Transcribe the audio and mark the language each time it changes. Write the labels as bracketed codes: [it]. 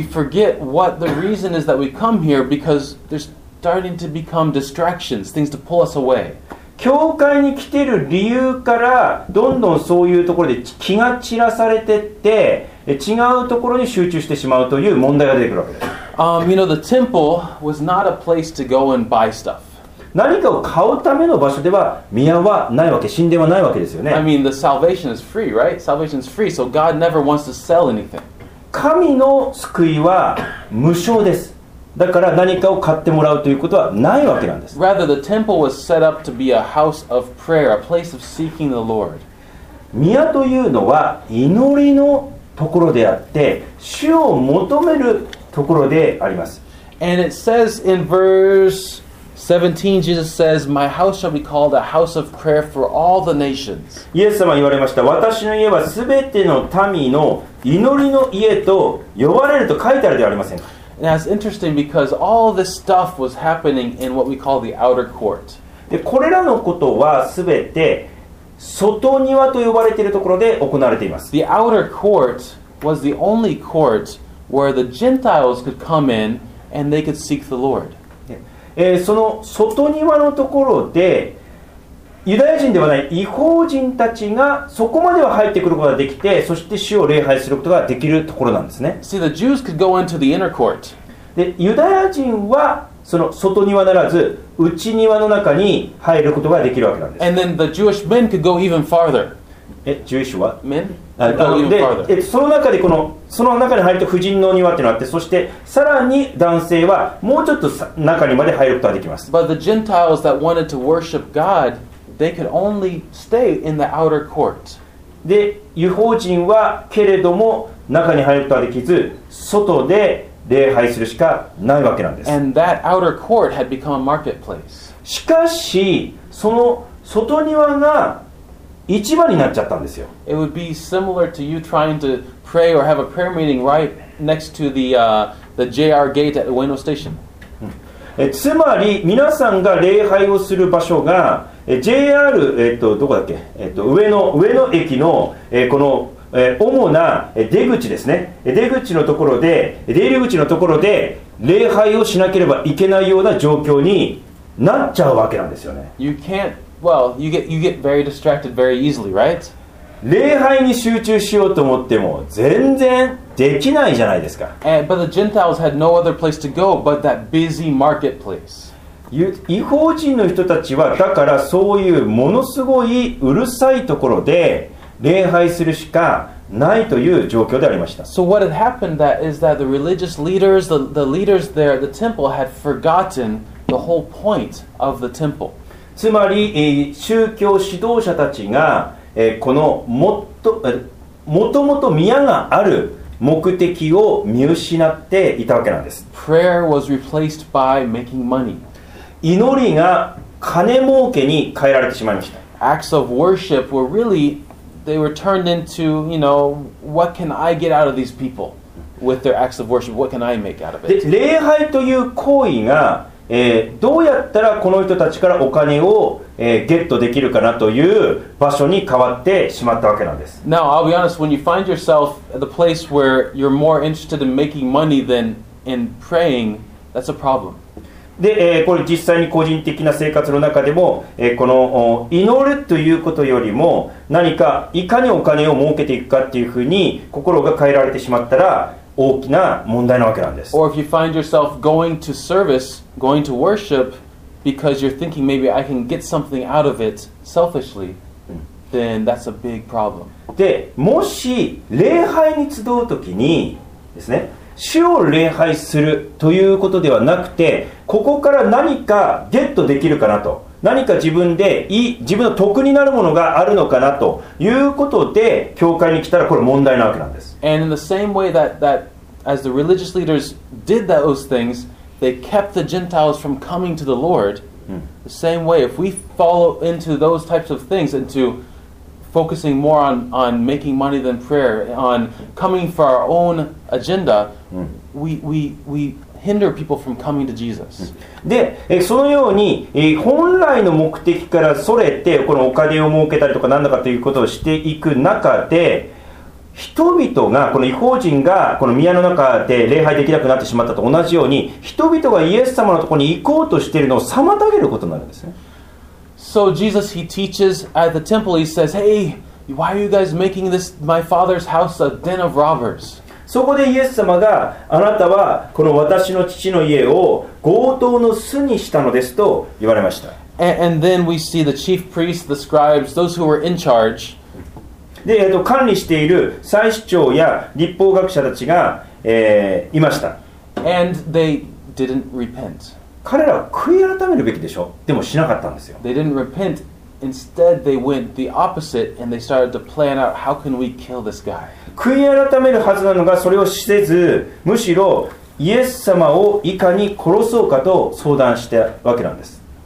[en] We forget what the reason is that we come here because there's starting to become distractions, things to pull us away. [ja] 教会に来ている理由からどんどんそういうところで気が散らされてって、違うところに集中してしまうという問題が出てくるわけです。 [en] You know, the temple was not a place to go and buy stuff. [ja] 何かを買うための場所では宮はないわけ、神殿はないわけですよね。 [en] I mean, the salvation is free, right? Salvation is free, so God never wants to sell anything. [ja] 神の救いは無償です。だから何かを買ってもらうということはないわけなんです。 [en] Rather, the temple was set up to be a house of prayer, a place of seeking the Lord. [ja] 宮というのは祈りのところであって、主を求めるところであります。 [en] And it says in verse 17, Jesus says, My house shall be called a house of prayer for all the nations. [ja] イエス様言われました。私の家はすべての民の祈りの家と呼ばれると書いてあるではありませんか。 [en] And that's interesting because all this stuff was happening in what we call the outer court. [ja] で、これらのことはすべて外庭と呼ばれているところで行われています。 [en] The outer court was the only court where the Gentiles could come in and they could seek the Lord. [ja] その外庭のところで、ユダヤ人ではない異邦人たちがそこまでは入ってくることができて、そして主を礼拝することができるところなんですね。 [en] See, the Jews could go into the inner court. [ja] で、ユダヤ人はその外庭ならず内庭の中に入ることができるわけなんです。 [en] And then the Jewish men could go even farther. Jewish [ja] は [en] men? [ja] で、その中でこのその中に入ると婦人の庭ってのがあって、そしてさらに男性はもうちょっと中にまで入ることができます。 [en] But the Gentiles that wanted to worship God, they could only stay in the outer court. [ja] で、異邦人はけれども中に入ることはできず、外で礼拝するしかないわけなんです。 [en] And that outer court had become a marketplace. [ja] しかし、その外庭が市場になっちゃったんですよ。 [en] It would be similar to you trying to pray or have a prayer meeting right next to the JR gate at Ueno Station. [ja] つまり、皆さんが礼拝をする場所が、JR、どこだっけ、上野駅の、この主な出口ですね。出口のところで、出入り口のところで礼拝をしなければいけないような状況になっちゃうわけなんですよね。 [en] You can't, well, you get very distracted very easily, right? [ja] 礼拝に集中しようと思っても全然できないじゃないですか。 [en] But the Gentiles had no other place to go but that busy marketplace. [ja] 異邦人の人たちはだからそういうものすごいうるさいところで礼拝するしかないという状況でありました。 [en] So what had happened that is that the religious leaders, the leaders there at the temple had forgotten the whole point of the temple. [ja] つまり、宗教指導者たちが、このもっと、もともと宮がある目的を見失っていたわけなんです。 [en] Prayer was replaced by making money. [ja] 祈りが金儲けに変えられてしまいました。 [en] Acts of worship were reallyThey were turned into, you know, what can I get out of these people with their acts of worship? What can I make out of it? [ja] 礼拝という行為が、どうやったらこの人たちからお金を、ゲットできるかなという場所に変わってしまったわけなんです。 [en] Now, I'll be honest, when you find yourself at the place where you're more interested in making money than in praying, that's a problem. [ja] で、これ実際に個人的な生活の中でも、この祈るということよりも何かいかにお金を儲けていくかっていうふうに心が変えられてしまったら大きな問題なわけなんです。 [en] Or if you find yourself going to service, going to worship because you're thinking maybe I can get something out of it selfishly, then that's a big problem. [ja] で、もし礼拝に集うときにですね、主を礼拝するということではなくて、ここから何かゲットできるかなと、何か自分でいい、自分の得になるものがあるのかなということで教会に来たら、これ問題なわけなんです。 [en] And in the same way that as the religious leaders did those things, they kept the Gentiles from coming to the Lord. The same way, if we follow into those types of things, into focusing more on making money than prayer, on coming for our own agenda, we hinder people from coming to Jesus. [ja] で、そのように、本来の目的からそれて、このお金を儲けたりとか何だかということをしていく中で、人々が、この異邦人がこの宮の中で礼拝できなくなってしまったと同じように、人々がイエス様のところに行こうとしているのを妨げることになるんですね。 [en] So Jesus, he teaches at the temple, he says, Hey, why are you guys making this, my father's house a den of robbers? [ja] そこでイエス様が、あなたはこの私の父の家を強盗の巣にしたのですと言われました。 [en] And then we see the chief priests, the scribes, those who were in charge. [ja] で、管理している祭司長や律法学者たちが、いました。 [en] And they didn't repent. [ja] 彼らは悔い改めるべきでしょ。でもしなかったんですよ。 [en] They didn't repent. Instead, they went the opposite and they started to plan out how can we kill this guy. [ja] 悔い改めるはずなのがそれをしせず、むしろイエス様をいかに殺そうかと相談したわけなんです。